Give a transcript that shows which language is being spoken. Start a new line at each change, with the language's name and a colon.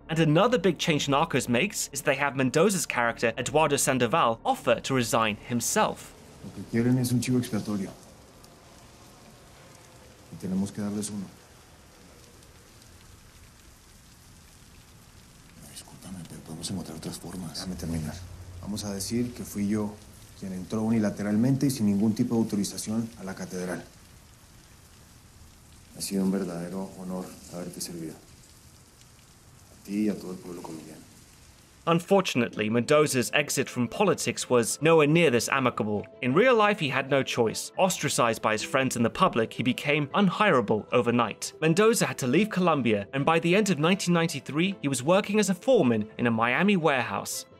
English: And another big change Narcos makes is they have Mendoza's character, Eduardo Sandoval, offer to resign himself. What they want is a
Spanish: chivo expiatorio.
English: We have to give them one. Excuse me, but we can find other ways. Let me finish.
Spanish: Vamos a decir que fui yo quien entró unilateralmente y sin ningún tipo de autorización a la catedral. Ha sido un verdadero honor haberte servido. ti y a todo el pueblo colombiano.
English: Unfortunately, Mendoza's exit from politics was nowhere near this amicable. In real life, he had no choice. Ostracized by his friends and the public, he became unhirable overnight. Mendoza had to leave Colombia, and by the end of 1993, he was working as a foreman in a Miami warehouse.